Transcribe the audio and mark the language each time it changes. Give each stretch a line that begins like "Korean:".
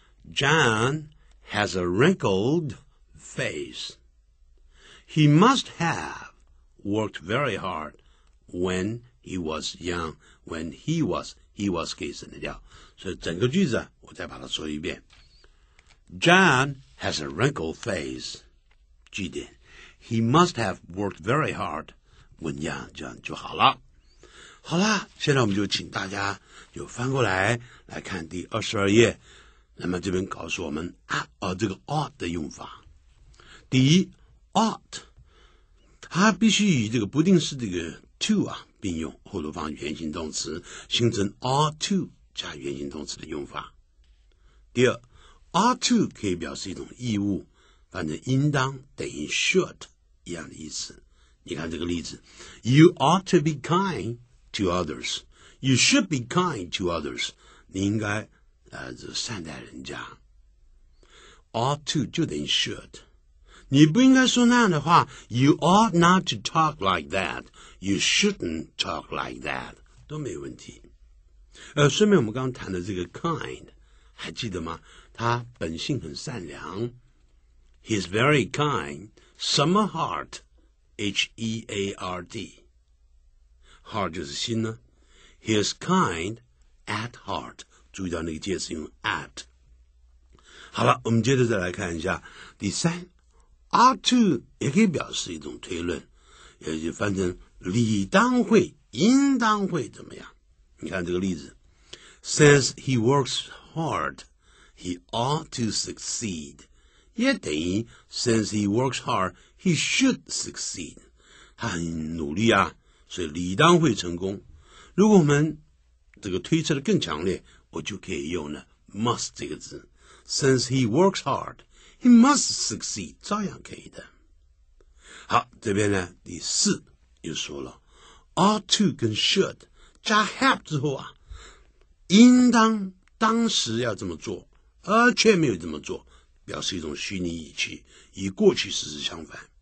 English: John has a wrinkled face. He must have worked very hard when he was young. When he was
Chinese: 给省得掉。所以整个句子我再把它说一遍。
English: John has a wrinkled face.
Chinese: 记得。
English: He must have worked very hard when young.
Chinese: 这样就好了。好了，现在我们就请大家就翻过来来看第22页。那么这边告诉我们这个 ought 的用法。第一 ought， 它必须与这个不定式这个 to 啊并用，后头放原形动词形成 ought to 加原形动词的用法。第二 ought to 可以表示一种义务，反正应当等于 should 一样的意思。
English: 你看这个例子， You ought to be kind to others， You should be kind to others，
Chinese: 你应该就善待人家。 ought to 就等于 should， 你不应该说那样的话。
English: You ought not to talk like that， You shouldn't talk like that， 都没问题。
Chinese: 顺便我们刚谈的这个 kind 还记得吗？他本性很善良，
English: He's very kind，
Chinese: 什么 heart， H-E-A-R-T， heart 就是心呢。
English: He's kind at heart，
Chinese: 注意到那个介词用 at。好了，我们接着再来看一下第三 ought to， 也可以表示一种推论，也就翻成理当会应当会怎么样。你看这个例子，
English: Since he works hard he ought to succeed，
Chinese: 也等于
English: Since he works hard he should succeed，
Chinese: 他很努力啊，所以理当会成功。如果我们这个推测的更强烈，我就可以用了 must 这个字，
English: Since he works hard he must succeed，
Chinese: 照样可以的。好，这边呢第四又说了 ought to 跟 should 加 have 之后啊，应当当时要这么做而却没有这么做，表示一种虚拟语气，与过去时是相反。